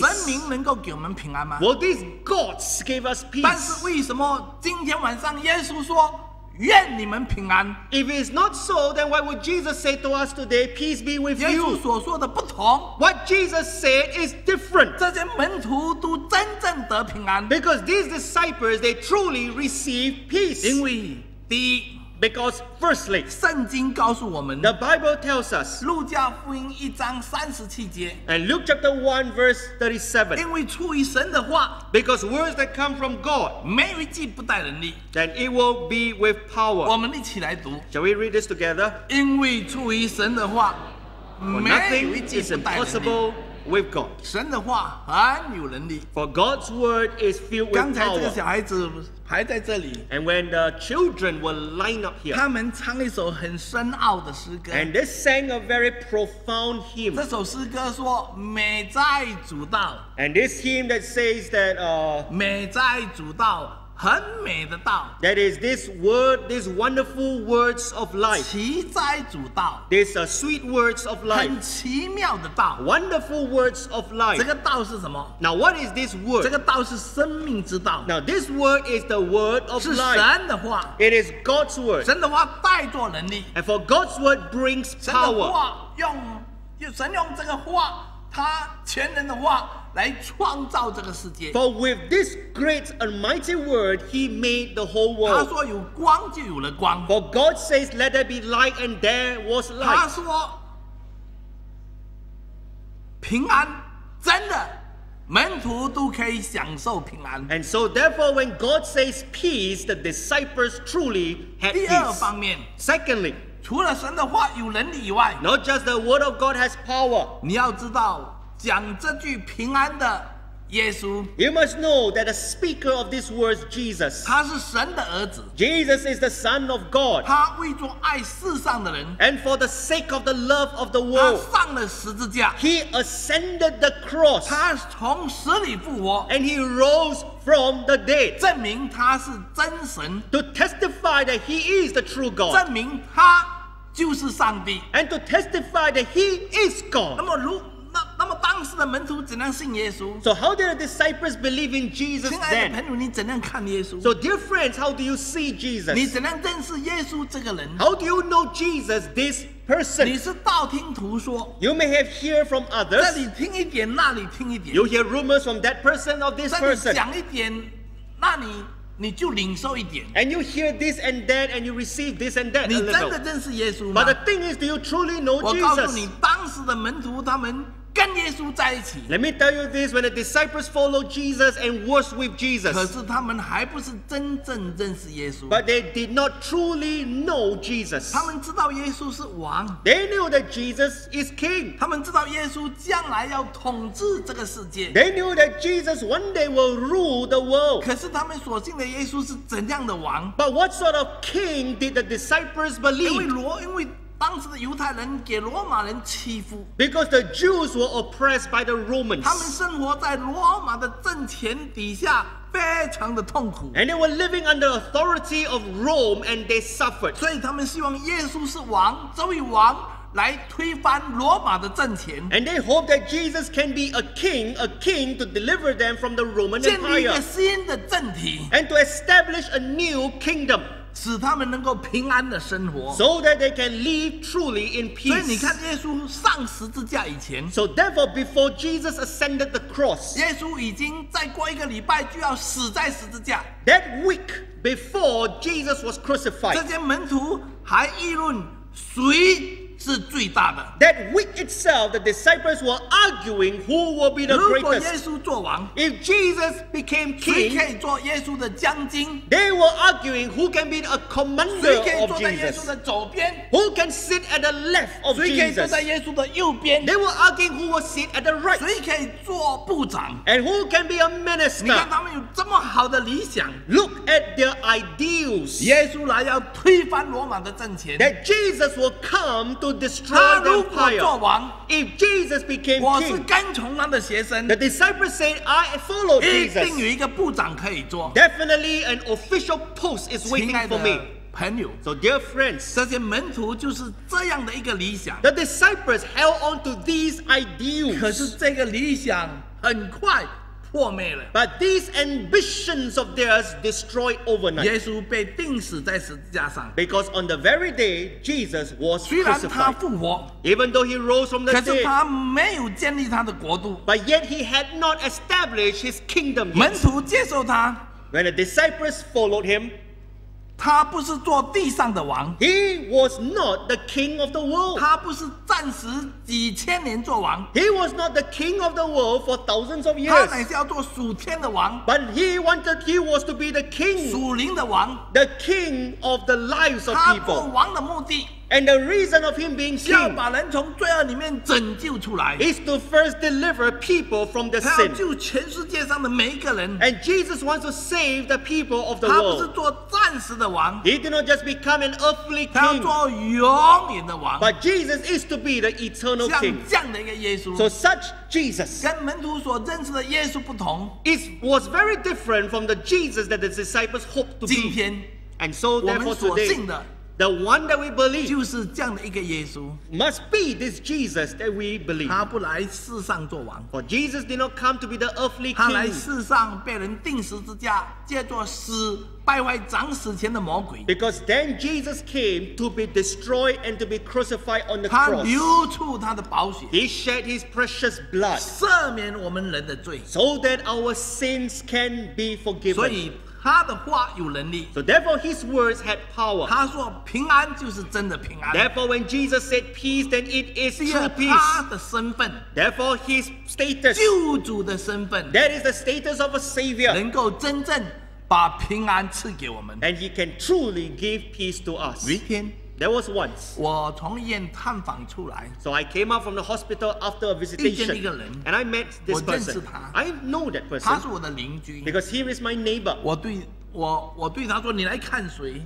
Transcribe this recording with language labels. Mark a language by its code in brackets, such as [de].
[zh] 神明能够给我们平安吗？ [en] Will these gods give us peace? [zh] 但是为什么今天晚上耶稣说愿你们平安？ [en] If it's not so, then why would Jesus say to us today, "Peace be with you"? [zh] 耶稣所说的不同。 [en] What Jesus said is different. [zh] 这些门徒都真正得平安。 [en] Because these disciples, they truly receive peace. [zh] 因为第一。 [en] Because firstly, [zh] 圣经告诉我们 [en] the Bible tells us, [zh] 路加福音一章三十七节 [en] and Luke chapter 1 verse 37, [zh] 因为出于神的话 [en] because words that come from God, [zh] 没有一句不带能力 [en] then it will be with power. [zh] 我们一起来读 [en] shall we read this together? [zh] 因为出于神的话 [en] for nothing is impossible with God. [zh] 神的话很有能力 [en] for God's word is filled with power. [zh] 刚才这个小孩子还在这里 [en] and when the children were lined up here, [zh] 他们唱一首很深奥的诗歌 [en] and they sang a very profound hymn. [zh] 这首诗歌说美在主道 [en] and this hymn that says that [zh] 美在主道很美的道 [en] that is this word, these wonderful words of life. [zh] 奇哉主道 [en] these are sweet words of life. [zh] 很奇妙的道 [en] wonderful words of life. [zh] 这个道是什么 [en] now what is this word? [zh] 这个道是生命之道 [en] now this word is the word of life. [zh] 是神的话 [en] it is God's word. [zh] 神的话带着能力 [en] and for God's word brings power. [zh] 神的话用神用这个话他全能的话来创造这个世界。 [en] For with this great and mighty word, he made the whole world. [zh] 他说有光就有了光。 [en] For God says, let there be light, and there was light. [zh] 他说平安真的门徒都可以享受平安。 [en] And so therefore, when God says peace, the disciples truly had peace. [zh] 第二方面。 [en] Secondly, [zh] 除了神的话有能力以外。 [en] Not just the word of God has power. [zh] 你要知道。讲这句平安的耶稣 [en] You must know that the speaker of this word is Jesus. [zh] 他是神的儿子 [en] Jesus is the son of God. [zh] 他为着爱世上的人 [en] And for the sake of the love of the world. [zh] 他上了十字架 [en] He ascended the cross. [zh] 他从死里复活 [en] And he rose from the dead. [zh] 证明他是真神 [en] To testify that he is the true God. [zh] 证明他就是上帝。 [en] And to testify that he is God. [zh] 那么如那么当时的门徒怎样信耶稣 [en] ？So how did the disciples believe in Jesus then？ [zh] 亲爱的朋友，你怎样看耶稣 [en] ？So dear friends, how do you see Jesus？ [zh] 你怎样认识耶稣这个人 [en] ？How do you know Jesus this person？ [zh] 你是道听途说 [en] ？You may have hear from others。 [zh] 这里听一点，那里听一点。 [en] You hear rumors from that person or this person。 [zh] 这里讲一点，那你就领受一点。 [en] And you hear this and that, and you receive this and that a little。 [zh] 你真的认识耶稣吗 [en] ？But the thing is, do you truly know Jesus？ [zh] 我告诉你，当时的门徒他们。跟耶稣在一起。 [en] Let me tell you this: when the disciples followed Jesus and was with Jesus, [zh] 可是他们还不是真正认识耶稣。 [en] But they did not truly know Jesus. [zh] 他们知道耶稣是王。 [en] They knew that Jesus is king. [zh] 他们知道耶稣将来要统治这个世界。 [en] They knew that Jesus one day will rule the world. [zh] 可是他们所信的耶稣是怎样的王 [en] ？But what sort of king did the disciples believe? [zh] 因为当时的犹太人给罗马人欺负 [en] ，because the Jews were oppressed by the Romans。 [zh] 他们生活在罗马的政权底下，非常的痛苦。 [en] And they were living under the authority of Rome, and they suffered。 [zh] 所以他们希望耶稣是王，这位王来推翻罗马的政权。 [en] And they hope that Jesus can be a king to deliver them from the Roman Empire。 [zh] 建立一个新的政体。 [en] And to establish a new kingdom。 [zh] 使他们能够平安的生活 [en] ，so that they can live truly in peace。 [zh] 所以你看，耶稣上十字架以前 [en] ，so therefore before Jesus ascended the cross， [zh] 耶稣已经再过一个礼拜就要死在十字架。 [en] That week before Jesus was crucified， [zh] 这些门徒还议论谁是最大的。 [en] That week itself, the disciples were arguing who will be the greatest. [zh] 如果耶稣作王 [en] ，if Jesus became king， [zh] 谁可以做耶稣的将军 [en] ？They were arguing who can be a commander of Jesus. [zh] 谁可以坐在耶稣的左边 [en] ？Who can sit at the left of Jesus？ [zh] 谁可以坐在耶稣的右边 [en] ？They were arguing who will sit at the right。 [zh] 谁可以做部长 [en] ？And who can be a minister？ [zh] 你看他们有这么好的理想 [en] ，Look at their ideals。 [zh] 耶稣来要推翻罗马的政权 [en] ，That Jesus will come to destroy the empire. If Jesus became king, [zh] 我是跟从他的学生。 [en] The disciples said, "I follow Jesus." [zh] 一定有一个部长可以做。 [en] Definitely, an official post is waiting for me. [zh] 朋友 [en] ，So dear friends, [zh] 这些门徒就是这样的一个理想。 [en] The disciples held on to these ideals. [zh] 可是这个理想很快破灭了。 [en] But these ambitions of theirs destroyed overnight. [zh] 耶稣被钉死在十字架上。 [en] Because on the very day Jesus was crucified. [zh] 虽然他复活 [en] ，even though he rose from the dead， [zh] 可是他没有建立他的国度。 [en] But yet he had not established his kingdom. [zh] 门徒接受他 [en] ，when the disciples followed him， [zh] 他不是做地上的王 [en] ，he was not the king of the world. [zh] 他不是暂时几千年做王 [en] ，he was not the king of the world for thousands of years. [zh] 他乃是要做属天的王 [en] ，but he was to be the king， [zh] 属灵的王 [en] ，the king of the lives of people. [zh] 他做王的目的。 [en] And the reason of him being king, [zh] 要把人从罪恶里面拯救出来 [en] is to first deliver people from the sin. [zh] 他要救全世界上的每一个人 [en] And Jesus wants to save the people of the world. [zh] 他不是做暂时的王 [en] He did not just become an earthly king. [zh] 他要做永远的王 [en] But Jesus is to be the eternal king. [zh] 像这样的一个耶稣 [en] So such Jesus [zh] 跟门徒所认识的耶稣不同 [en] It was very different from the Jesus that the disciples hoped to be. [zh] 今天 [en] And so therefore today, the one that we believe [zh] 就是这样的一个耶稣 [en] must be this Jesus that we believe. [zh] 他不来世上做王 [en] for Jesus did not come to be the earthly king. [zh] 他来世上被人钉十字架，借着死败坏掌死权的魔鬼 [en] because then Jesus came to be destroyed and to be crucified on the cross. [zh] 他流出他的宝血 [en] he shed his precious blood. [zh] 赦免我们人的罪 [en] so that our sins can be forgiven. [zh] 所以他的话有能力 [en] So therefore his words had power. [zh] 他说平安就是真的平安 [en] Therefore when Jesus said peace, then it is true peace. [zh] 他的身份 [en] Therefore his status. [zh] 救主的身份 [en] That is the status of a savior. [zh] 能够真正把平安赐给我们 [en] And he can truly give peace to us. [zh] 有一天 [en] There was once. [zh] 我从医院探访出来 [en] So I came out from the hospital after a visitation. [zh] 遇见一个人 [en] And I met this person. [zh] 我认识他 [en] I know that person. [zh] 他是我的邻居 [en] Because he is my neighbor. [zh] 我对他说你来看谁